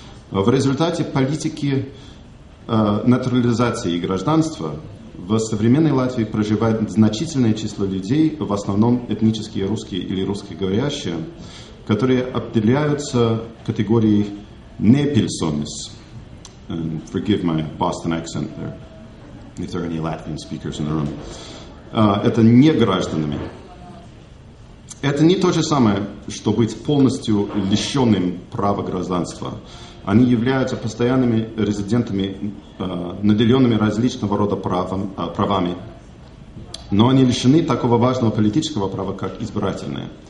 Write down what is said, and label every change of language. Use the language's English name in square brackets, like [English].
[Russian] В результате политики натурализации гражданства в современной Латвии проживает значительное число людей, в основном этнические русские или русскоговорящие, которые определяются категорией «не персонис». [English] Forgive my Boston accent there, if there are any Latvian speakers in the room. [Russian] Это не гражданами. Это не то же самое, что быть полностью лишенным права гражданства. Они являются постоянными резидентами, наделенными различного рода правами. Но они лишены такого важного политического права, как избирательное.